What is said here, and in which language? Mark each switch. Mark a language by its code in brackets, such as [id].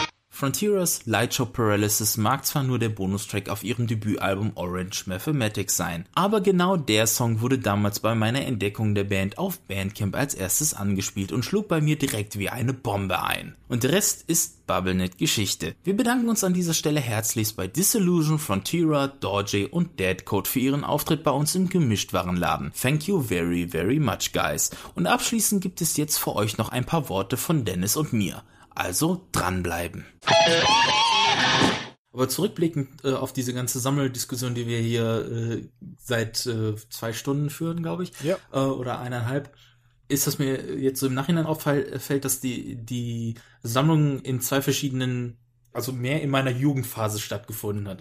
[de] Frontiers Light Show Paralysis mag zwar nur der Bonustrack auf ihrem Debütalbum Orange Mathematics sein, aber genau der Song wurde damals bei meiner Entdeckung der Band auf Bandcamp als erstes angespielt und schlug bei mir direkt wie eine Bombe ein. Und der Rest ist BubbleNet Geschichte. Wir bedanken uns an dieser Stelle herzlichst bei Disillusion, Frontiera, Dorje und Deadcode für ihren Auftritt bei uns im Gemischtwarenladen. [en] Thank you very, very much, guys. [de] Und abschließend gibt es jetzt für euch noch ein paar Worte von Dennis und mir. Also dranbleiben. Aber zurückblickend auf diese ganze Sammeldiskussion, die wir hier seit 2 Stunden führen, glaube ich, ja. Oder 1,5, ist das mir jetzt so im Nachhinein auffällt, dass die Sammlung in 2 verschiedenen, also mehr in meiner Jugendphase stattgefunden hat.